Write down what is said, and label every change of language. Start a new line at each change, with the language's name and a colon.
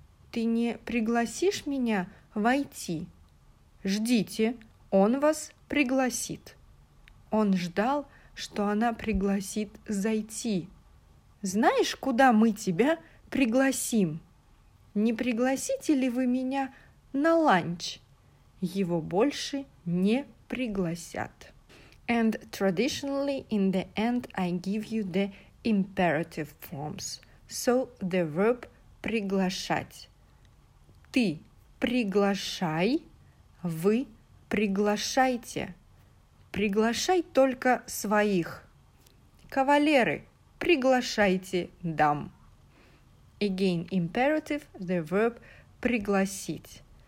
Russian: ты не пригласишь меня войти? Ждите, он вас пригласит. Он ждал, что она пригласит зайти. Знаешь, куда мы тебя пригласим? Не пригласите ли вы меня на ланч? Его больше не пригласят.
English: And traditionally, in the end, I give you the imperative forms. So, the verb приглашать.
Russian: Ты приглашай, вы приглашайте. Приглашай только своих. Кавалеры, приглашайте дам.
English: Again, imperative, the verb пригласить.